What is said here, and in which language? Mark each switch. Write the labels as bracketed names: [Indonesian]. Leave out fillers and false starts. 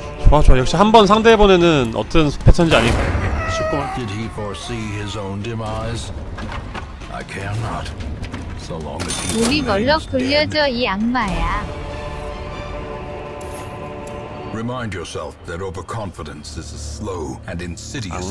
[Korean] 와 좋아, 역시 한번 상대해보면은 어떤 패턴인지 아니. 쉽구만. [English] Did he foresee his own demise? I care not. So long as he remains dead. [Korean] 우리 뭘로 굴려줘 이 악마야. [English] Remind yourself that overconfidence is a slow and insidious